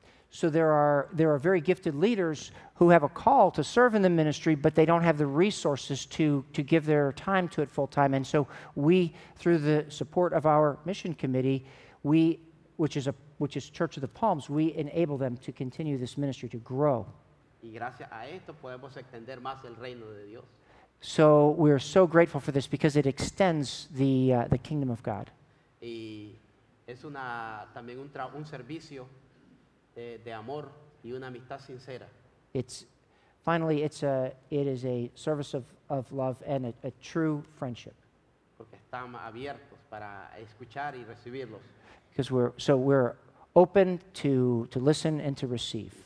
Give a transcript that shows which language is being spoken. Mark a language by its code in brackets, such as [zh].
[en] So there are very gifted leaders who have a call to serve in the ministry, but they don't have the resources to give their time to it full time. And so we, through the support of our mission committee, which is Church of the Palms, we enable them to continue this ministry to grow. [es] Y gracias a esto podemos extender más el reino de Dios. [en] So we are so grateful for this because it extends the kingdom of God. [es] Y es una también un servicio de amor y una amistad sincera. [en] It is a service of love and a true friendship. [es] Porque estamos abiertos para escuchar y recibirlos. [en] Because we're open to listen and to receive.